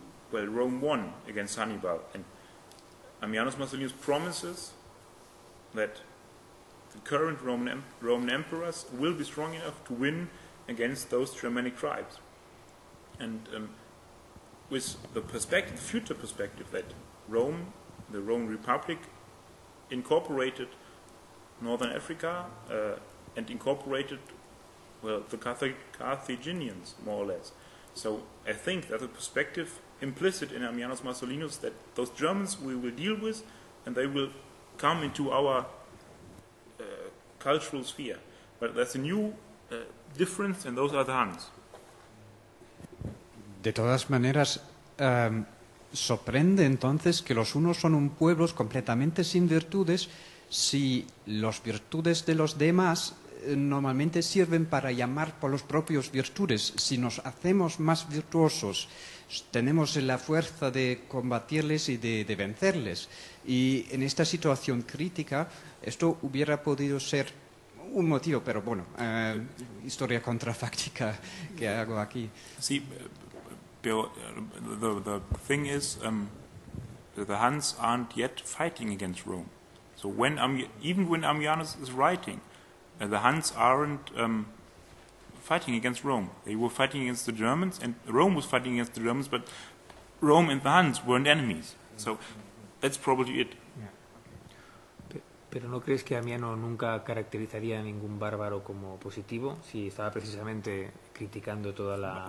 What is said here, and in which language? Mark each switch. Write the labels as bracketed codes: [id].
[en] Rome won against Hannibal, and Ammianus Marcellinus promises that the current Roman emperors will be strong enough to win against those Germanic tribes, and with the perspective, future perspective, that Rome, the Roman Republic, incorporated Northern Africa and incorporated, the Carthaginians, more or less. So I think that the perspective implicit in Ammianus Marcellinus that those Germans we will deal with and they will come into our cultural sphere. But that's a new difference, and those are the Huns. [es] De todas maneras, sorprende entonces que los unos son un pueblo completamente sin virtudes si las virtudes de los demás normalmente sirven para llamar por las propias virtudes. Si nos hacemos más virtuosos, tenemos la fuerza de combatirles y de vencerles. Y en esta situación crítica, esto hubiera podido ser un motivo, pero bueno, historia contrafáctica que hago aquí. Sí, pero [en] the thing is, the Huns aren't yet fighting against Rome. So when even when Ammianus is writing, the Huns aren't fighting against Rome. They were fighting against the Germans, and Rome was fighting against the Germans, but Rome and the Huns weren't enemies. So that's probably it. [es] ¿Pero no crees que Amiano nunca caracterizaría a ningún bárbaro como positivo si estaba precisamente criticando toda la...?